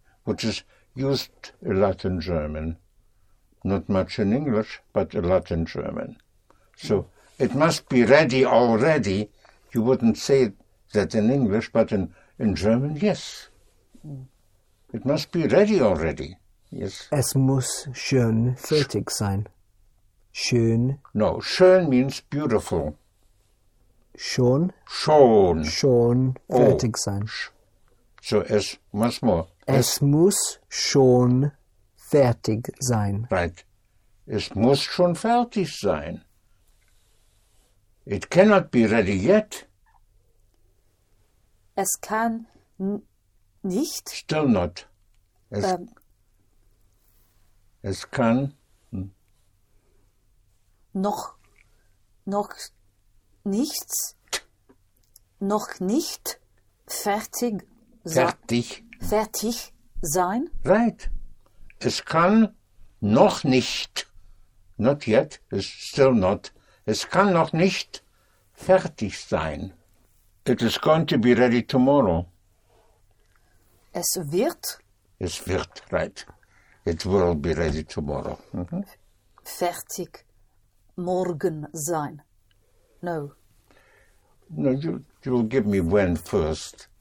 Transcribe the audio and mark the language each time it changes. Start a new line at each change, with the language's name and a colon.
English: Which is used a lot in German. Not much in English, but a lot in German. So, it must be ready already. You wouldn't say that in English, but in German, yes. It must be ready already. Yes.
German: Es muss schön fertig sein. Schön.
English: No, schön means beautiful.
German: Schon. Schon. Schon fertig sein. So, es muss
English: more.
German: Es muss schon fertig sein.
English: Right.
German: es muss schon fertig sein.
English: It cannot be ready yet.
German: Es kann nicht.
English: Still not.
German: Es kann noch nichts, noch nicht fertig sein. Fertig. Fertig sein.
English: Right.
German: Es kann noch nicht,
English: not yet, is still not,
German: es kann noch nicht fertig sein.
English: It is going to be ready tomorrow.
German: Es wird. Es wird,
English: right. It will be ready tomorrow.
German: Mm-hmm. Fertig morgen sein.
English: No. No, you'll give me when first.